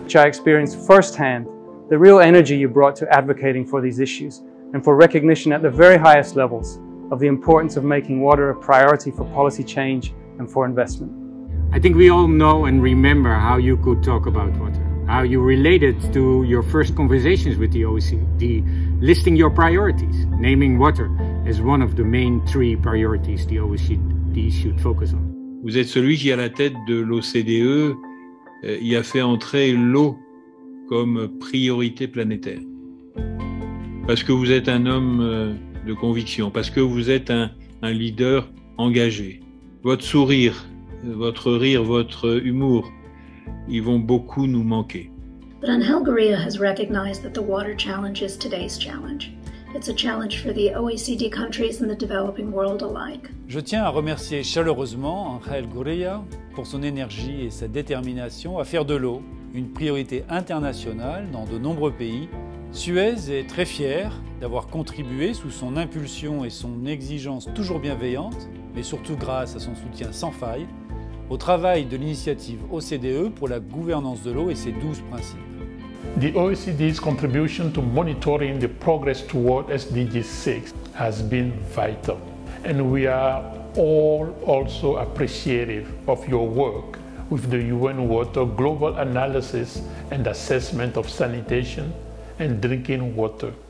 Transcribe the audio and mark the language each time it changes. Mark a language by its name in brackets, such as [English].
[English] Which I experienced firsthand, the real energy you brought to advocating for these issues and for recognition at the very highest levels of the importance of making water a priority for policy change and for investment. I think we all know and remember how you could talk about water, how you related to your first conversations with the OECD, listing your priorities, naming water as one of the main three priorities the OECD should focus on. [French] Vous êtes celui qui, à la tête de l'OCDE, y a fait entrer l'eau comme priorité planétaire. Parce que vous êtes un homme de conviction, parce que vous êtes un leader engagé. Votre sourire, votre rire, votre humour, ils vont beaucoup nous manquer. [English] But Angel Gurría has recognized that the water challenge is today's challenge. It's a challenge for the OECD countries and the developing world alike. [French] Je tiens à remercier chaleureusement Angel Gurría pour son énergie et sa détermination à faire de l'eau une priorité internationale dans de nombreux pays. Suez est très fier d'avoir contribué sous son impulsion et son exigence toujours bienveillante, mais surtout grâce à son soutien sans faille, au travail de l'initiative OCDE pour la gouvernance de l'eau et ses 12 principes. [English] The OECD's contribution to monitoring the progress toward SDG 6 has been vital, and we are all also appreciative of your work with the UN Water Global Analysis and Assessment of Sanitation and Drinking Water.